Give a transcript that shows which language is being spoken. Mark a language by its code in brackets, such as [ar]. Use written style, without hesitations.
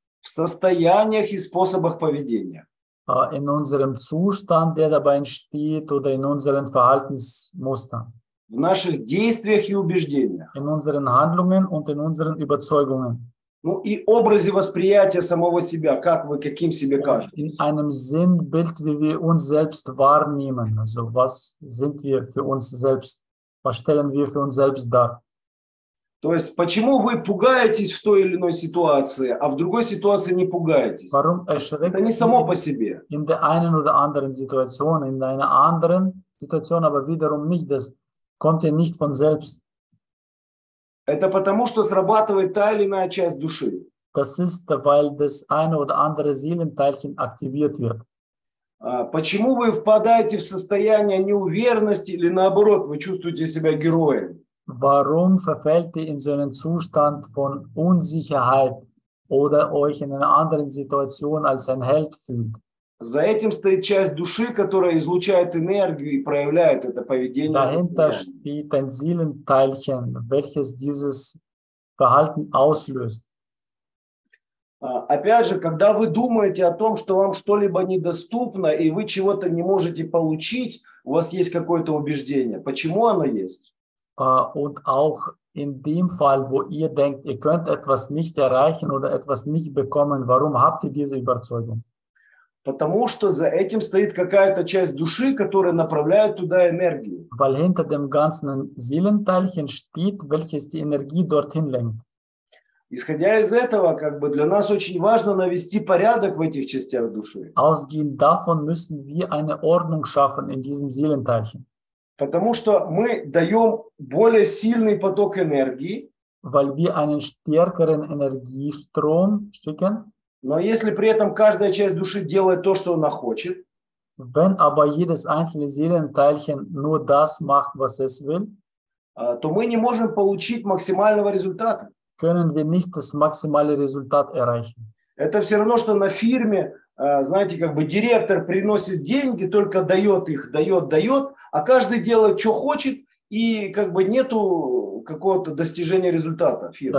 [ru] В состояниях и способах поведения. [de] In unserem Zustand, der dabei entsteht, oder in unseren Verhaltensmustern. [ru] В наших действиях и убеждениях. [de] In unseren Handlungen und in unseren Überzeugungen. [ru] Ну и образе восприятия самого себя, как вы, каким себе кажетесь. [de] In einem Sinnbild, wie wir uns selbst wahrnehmen. Also was sind wir für uns selbst, was stellen wir für uns selbst dar. [ru] То есть, почему вы пугаетесь в той или иной ситуации, а в другой ситуации не пугаетесь? [de] Warum erschreckt [ru] это не само по себе. [de] In der einen oder anderen Situation, in einer anderen Situation, aber wiederum nicht, das kommt ja nicht von selbst. [ru] Это потому, что срабатывает та или иная часть души. [de] Das ist, weil das eine oder andere Seelenteilchen aktiviert wird. [ru] Почему вы впадаете в состояние неуверенности или наоборот, вы чувствуете себя героем? [de] Warum verfällt ihr in so einen Zustand von Unsicherheit oder euch in einer anderen Situation als ein Held fühlt? [ru] За этим стоит часть души, которая излучает энергию и проявляет это поведение. [de] Dahinter steht ein Seelenteilchen, welches dieses Verhalten auslöst. [ru] Опять же, когда вы думаете о том, что вам что-либо недоступно и вы чего-то не можете получить, у вас есть какое-то убеждение. Почему оно есть? [de] Und auch in dem Fall, wo ihr denkt, ihr könnt etwas nicht erreichen oder etwas nicht bekommen, warum habt ihr diese Überzeugung? [ru] Потому что за этим стоит какая-то часть души, которая направляет туда энергию. [de] Weil hinter dem ganzen Seelenteilchen steht, welches die Energie dorthin lenkt. [ru] Исходя из этого, как бы для нас очень важно навести порядок в этих частях души. [de] Ausgehend davon müssen wir eine Ordnung schaffen in diesen Seelenteilchen. [ru] Потому что мы даем более сильный поток энергии. [de] Weil wir einen stärkeren Energiestrom schicken. [ru] Но если при этом каждая часть души делает то, что она хочет. [de] Wenn aber jedes einzelne Seelenteilchen nur das macht, was es will. [ru] То мы не можем получить максимального результата. [de] Können wir nicht das maximale Resultat erreichen. [ru] Это все равно, что на фирме, знаете, как бы директор приносит деньги, только дает их, дает, дает. А каждый делает, что хочет, и как бы нету какого-то достижения результата фирмы.